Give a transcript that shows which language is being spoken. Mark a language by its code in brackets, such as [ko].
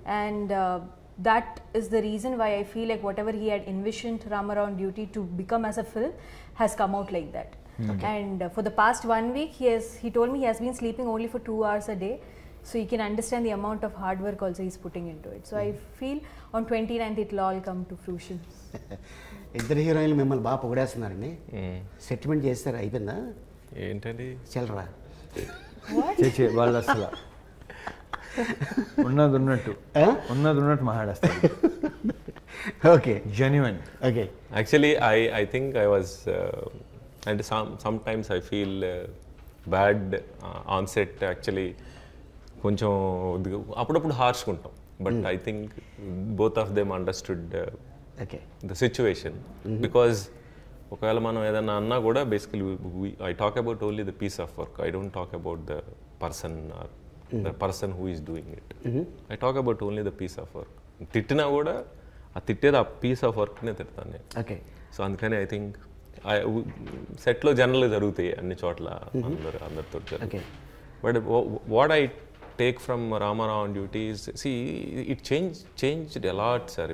[en] And that is the reason why I feel like whatever he had envisioned Ramarao duty to become as a film has come out like that. Okay. And for the past 1 week, he told me he has been sleeping only for 2 hours a day. So you can understand the amount of hard work also he's putting into it. So I feel on 29th, it'll all come to fruition. [te] ఇద్దరు హీరోయిన్లు మిమ్మల్ని బాగా పొగిడేస్తున్నారండి. Settlement చేస్తారు అయిపోయిందా? ఏంటండి? చెల్లరా. వాళ్ళు అసలు ఉన్నది ఉన్నట్టు ఉన్నది ఉన్నట్టు మాట్లాడేస్తారు. [en] Okay, genuine. Okay, actually I think I was and sometimes I feel bad on set, actually [te] koncham appudappudu harsh untam, [en] but I think both of them understood the situation. Mm-hmm. Because [te] okayala manam edanna anna kuda [en] basically I talk about only the piece of work, I don't talk about the person or the person who is doing it. Mm-hmm. I talk about only the piece of work. [te] Tittina kuda ఆ తిట్టేది ఆ piece of వర్క్నే తిడతాను నేను. Okay. So అందుకని [en] I think [te] సెట్లో general జరుగుతాయి అన్ని చోట్ల అందరితో. [en] But what I take from Ramarao duties, see it changed a lot sir.